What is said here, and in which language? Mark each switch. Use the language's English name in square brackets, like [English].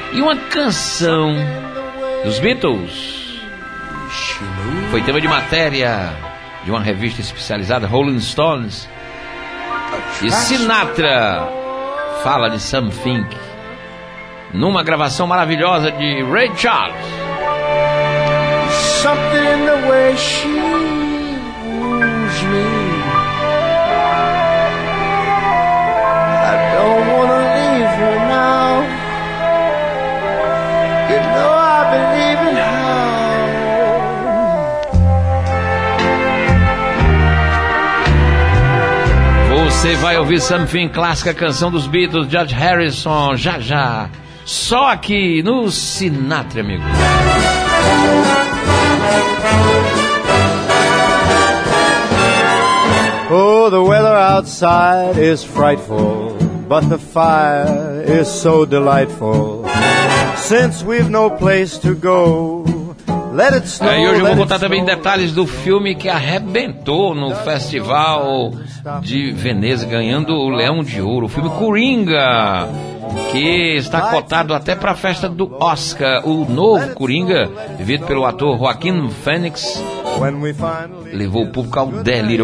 [Portuguese] E uma canção dos Beatles foi tema de matéria de uma revista especializada, Rolling Stones. E Sinatra fala de Something numa gravação maravilhosa de Ray Charles. [English] Something the way she moves me. I don't wanna leave her now. [Portuguese] Você vai ouvir Something, clássica canção dos Beatles, George Harrison, já já, só aqui no Sinatra, amigo. [English] Oh, the weather outside is frightful, but the fire is so delightful. Since we've no place to go, let it snow. [Portuguese] E hoje eu vou contar também detalhes do filme que arrebentou no Festival de Veneza, ganhando o Leão de Ouro, o filme Coringa, que está cotado até para a festa do Oscar. O novo Coringa, vivido pelo ator Joaquin Phoenix, levou o público ao delírio.